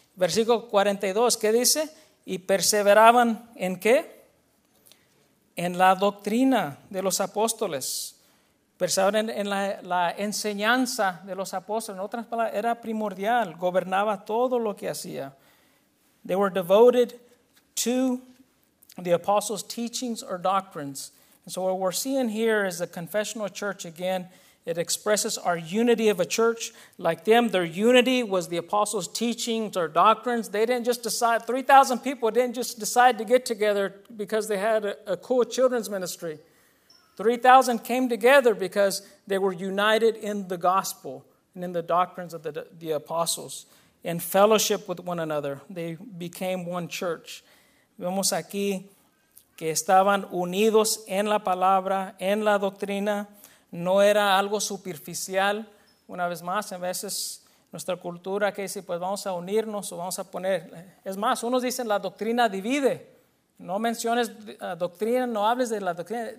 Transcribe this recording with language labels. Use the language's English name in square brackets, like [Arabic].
[Spanish] Versículo 42, ¿qué dice? Y perseveraban ¿en qué? En la doctrina de los apóstoles. Perseveraban en la enseñanza de los apóstoles. En otras palabras, era primordial, gobernaba todo lo que hacía. [English] They were devoted to the apostles' teachings or doctrines. And so what we're seeing here is the confessional church again. It expresses our unity of a church. Like them, their unity was the apostles' teachings or doctrines. They didn't just decide, 3,000 people didn't just decide to get together because they had a cool children's ministry. 3,000 came together because they were united in the gospel and in the doctrines of the apostles, in fellowship with one another. They became one church. [Spanish] Vemos aquí que estaban unidos en la palabra, en la doctrina. No era algo superficial. Una vez más, en veces nuestra cultura que dice, pues vamos a unirnos o vamos a poner. Es más, unos dicen la doctrina divide. No menciones doctrina, no hables de la doctrina.